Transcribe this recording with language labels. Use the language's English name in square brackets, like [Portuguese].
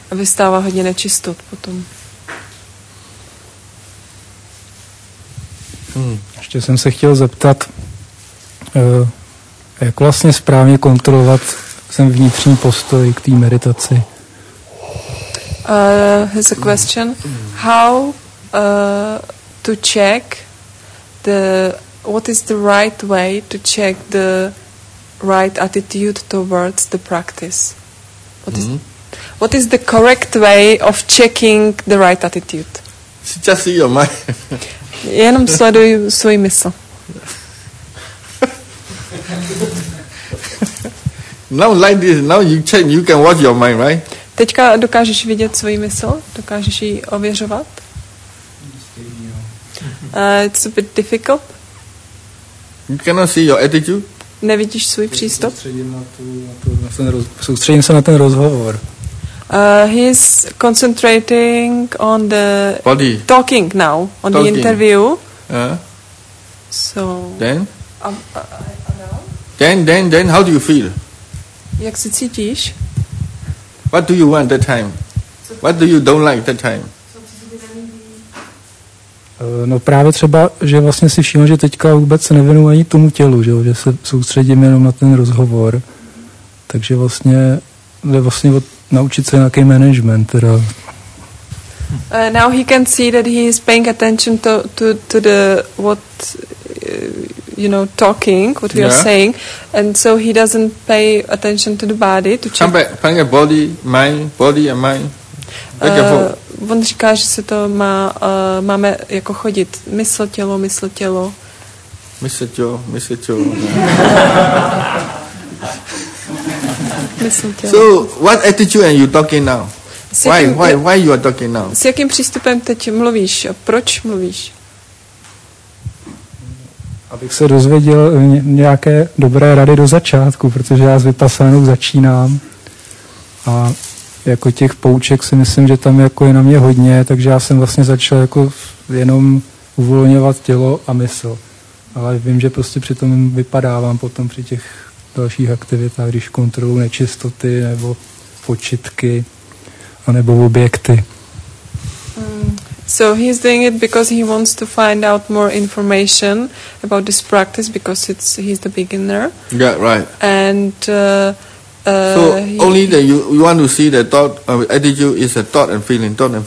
[Czech] A vystává hodně nečistot potom. Ještě jsem se chtěl zeptat, jak vlastně správně kontrolovat ten vnitřní postoj k té meditaci. [English] Here's a question. How to check the what is the right way to check the right attitude towards the practice? What is the correct way of checking the right attitude? Just see your mind. [Czech] Jenom sleduji svůj mysl. [English] Now like this, now you can watch your mind, right? [Czech] Teďka dokážeš vidět svůj mysl? Dokážeš ji ověřovat? [English] It's a bit difficult. You cannot see your attitude? [Czech] Nevidíš svůj přístup? Soustředím se na ten rozhovor. [English] He's concentrating on the body. Talking now, on talking. The interview. So then? Then how do you feel? Jak se cítíš? What do you want that time? What do you don't like that time? [Czech] No právě třeba, že vlastně si všiml, že teďka vůbec se nevěnuju ani tomu tělu, že se soustředím jenom na ten rozhovor. Takže vlastně jde vlastně od naučit se nějaký management, teda. [English] Now he can see that he is paying attention to the what you know, talking, what we are saying, and so he doesn't pay attention to the body, to check. [Czech] On říká, že se to má, máme jako chodit mysl, tělo, mysl, tělo. Mysl, tělo, mysl, tělo. Mysl, tělo. [English] So, what attitude are you talking now? Why you are talking now? [Czech] S jakým přístupem teď mluvíš? Proč mluvíš? Abych se dozvěděl nějaké dobré rady do začátku, protože já s vypasanou začínám a jako těch pouček si myslím, že tam jako je na mě hodně, takže já jsem vlastně začal jako jenom uvolňovat tělo a mysl. Ale vím, že prostě přitom vypadávám potom při těch dalších aktivitách, když kontroluji nečistoty nebo počitky anebo objekty. [English] So he's doing it because he wants to find out more information about this practice because he's the beginner. Yeah, right. And so only that you want to see the thought attitude is a thought and feeling.